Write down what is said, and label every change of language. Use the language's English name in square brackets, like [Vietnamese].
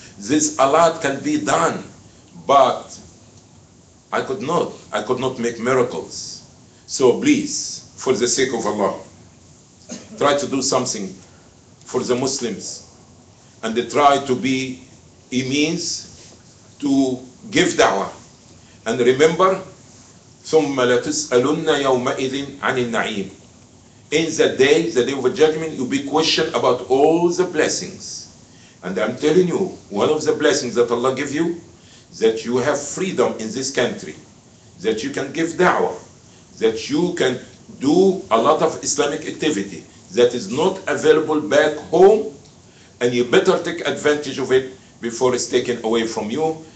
[English] This a lot can be done, but I could not make miracles. So please, for the sake of Allah, try to do something for the Muslims, and they try to be a means to give da'wah. And remember, [Arabic] ثُمَّ لَتُسْأَلُنَّ يَوْمَئِذٍ عَنِ النَّعِيمِ. [English] In the day of judgment, you'll be questioned about all the blessings. And I'm telling you, one of the blessings that Allah give you, that you have freedom in this country, that you can give da'wah, that you can do a lot of Islamic activity that is not available back home, and you better take advantage of it before it's taken away from you.